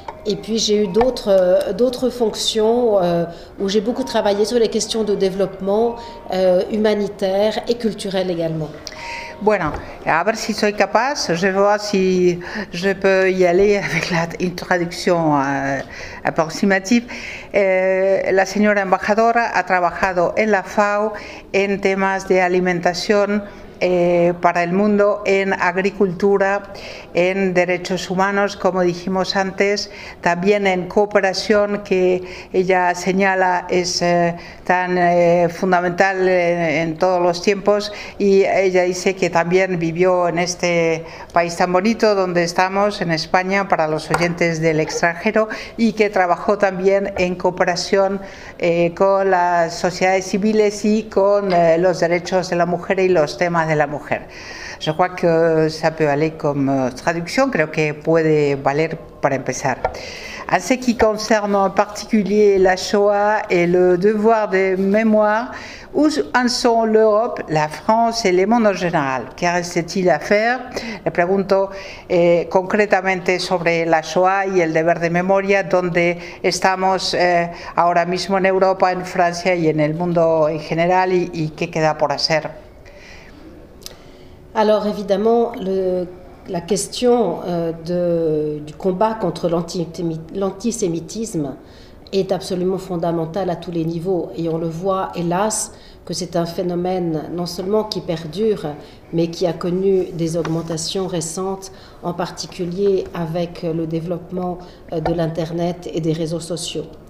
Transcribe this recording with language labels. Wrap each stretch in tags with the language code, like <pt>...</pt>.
<fr>Et puis j'ai eu d'autres fonctions où j'ai beaucoup travaillé sur les questions de développement humanitaire et culturel également.</fr> <es>Bueno, a ver si soy capaz,</es> <fr>je vois si je peux y aller avec une traduction approximative.</fr> <es>La señora embajadora ha trabajado en la FAO en temas de alimentación para el mundo, en agricultura, en derechos humanos, como dijimos antes, también en cooperación, que ella señala es tan fundamental en todos los tiempos, y ella dice que también vivió en este país tan bonito donde estamos, en España, para los oyentes del extranjero, y que trabajó también en cooperación con las sociedades civiles y con los derechos de la mujer y los temas de la mujer.</es> <fr>Je crois que ça peut aller comme traduction,</fr> <es>creo que puede valer para empezar.</es> <fr>En ce qui concerne en particulier la Shoah et le devoir de mémoire, où en sont l'Europe, la France et le monde en général? Que reste-t-il à faire?</fr> <es>Le pregunto concretamente sobre la Shoah y el deber de memoria, donde estamos ahora mismo en Europa, en Francia y en el mundo en general, y qué queda por hacer.</es> <fr>Alors évidemment, la question du combat contre l'antisémitisme est absolument fondamentale à tous les niveaux. Et on le voit, hélas, que c'est un phénomène non seulement qui perdure, mais qui a connu des augmentations récentes, en particulier avec le développement de l'Internet et des réseaux sociaux.</fr>